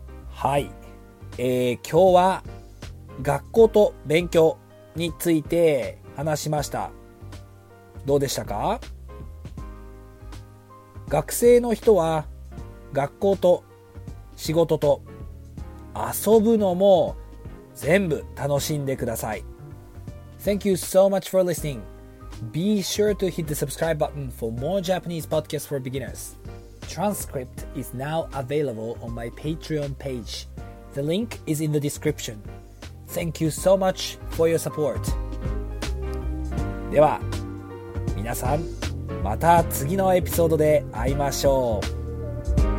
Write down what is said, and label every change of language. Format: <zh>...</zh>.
<ja>はい、今日は学校と勉強について話しました。どうでしたか？学生の人は学校と仕事と遊ぶのも全部楽しんでください。</ja> <en>Thank you so much for listeningBe sure to hit the subscribe button for more Japanese podcasts for beginners. Transcript is now available on my Patreon page. The link is in the description. Thank you so much for your support.</en> <ja>では、皆さん、また次のエピソードで会いましょう。</ja>